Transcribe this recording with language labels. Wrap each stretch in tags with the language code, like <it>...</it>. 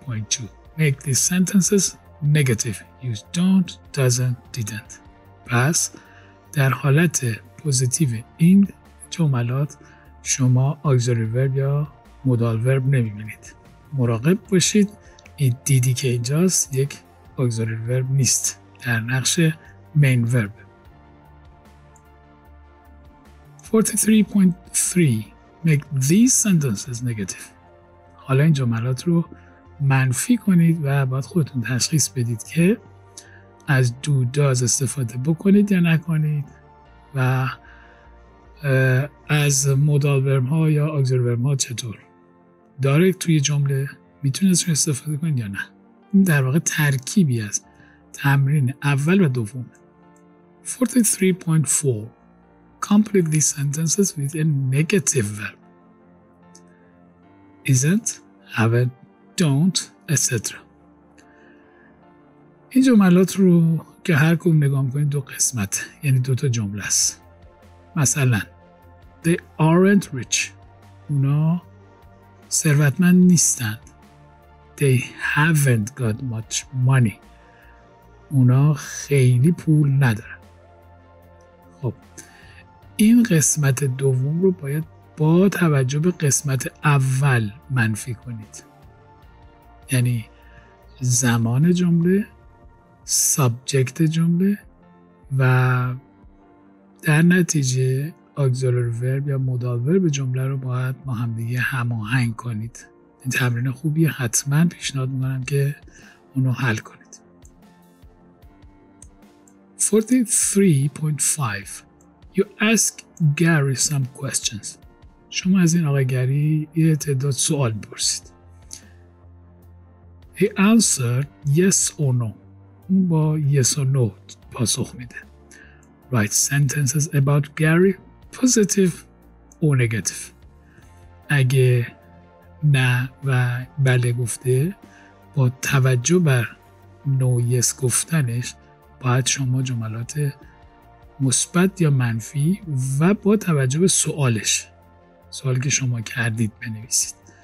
<en>43.2 Make these sentences negative. Use don't, doesn't, didn't.</en> <fa>پس در حالت پوزیتیو این جملات شما auxiliary verb یا modal verb نمیبینید. مراقب باشید این دیدی که اینجاست یک auxiliary verb نیست. در نقش main verb.</fa> <en>43.3 Make these sentences negative.</en> <fa>حالا این جملات رو منفی کنید و باید خودتون تشخیص بدید که از دو داز استفاده بکنید یا نکنید و از مودال ورم ها یا اگزیر ورم ها چطور داره توی جمله میتونید استفاده کنید یا نه. این در واقع ترکیبی از تمرین اول و دوم.</fa> <en>43.4 Complete these sentences with a negative verb Isn't, haven't don't, etc.</en> <fa>این جملات رو که هر کم نگاه میکنید دو قسمت یعنی دو تا جمله است. مثلا</fa> <en>They aren't rich.</en> <fa>اونا ثروتمند نیستند.</fa> <en>They haven't got much money.</en> <fa>اونا خیلی پول ندارن. خب این قسمت دوم رو باید با توجه به قسمت اول منفی کنید، یعنی زمان جمله، سابجکت جمله و در نتیجه اگزولر ورب یا مودال ورب جمله رو باید با هم دیگه هماهنگ کنید. این تمرین خوبیه، حتما پیشنهاد می‌کنم که اونو حل کنید.</fa> <en>43.5 You ask Gary some questions.</en> <fa>شما از این آقای گری یه تعداد سوال پرسید.</fa> <en>He answered yes or no.</en> <fa>اون با</fa> <en>yes or no</en> <fa>پاسخ میده.</fa> <en>Write sentences about Gary, positive or negative.</en> <fa>اگه نه و بله گفته، با توجه بر</fa> <en>no yes</en> <fa>گفتنش باید شما جملات مثبت یا منفی و با توجه به سوالش، سوالی که شما کردید بنویسید.</fa>